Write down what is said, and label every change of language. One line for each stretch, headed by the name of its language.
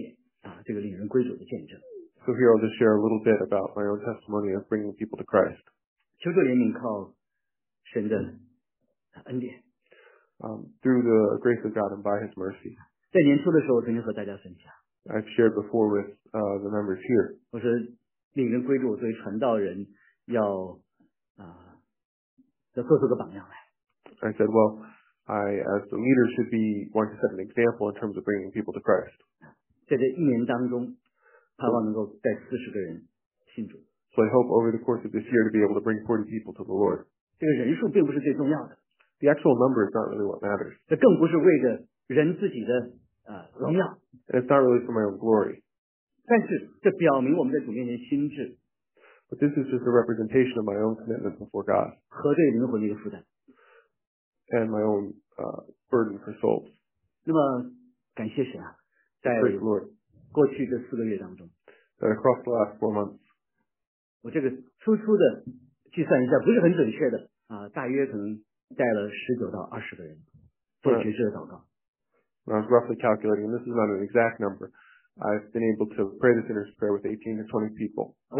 Chinese: 我在这里稍微给大家分享一点点这个领人归主的见证。
English: So here I'll just share a little bit about my own testimony of bringing people to Christ.
Chinese: 求主怜悯靠神的恩典。
English: Through the grace of God and by His mercy.
Chinese: 在年初的时候我曾经和大家分享。
English: I've shared before with the members here.
Chinese: 我说领人归主作为传道人要做出个榜样来。
English: I said, well, I as the leader should be one to set an example in terms of bringing people to Christ.
Chinese: 在这一年当中盼望能够带40个人信主。
English: So I hope over the course of this year to be able to bring 40 people to the Lord.
Chinese: 这个人数并不是最重要的。
English: The actual number is not really what matters.
Chinese: 这更不是为着人自己的,
English: and it's not really for my own glory.
Chinese: 但是这表明我们在主面前心智,
English: but this is just a representation of my own commitment before God.
Chinese: 和对灵魂的一个负担,
English: and my own burden for souls.
Chinese: 那么感谢神啊,
English: praise the Lord.
Chinese: 过去这4个月当中,
English: that across the last 4 months,
Chinese: 我这个粗粗的计算一下不是很准确的, 大约可能 带了19到20个人,
English: when I was roughly calculating, and this is not an exact number, I've been able to pray the sinner's prayer with 18 to 20 people.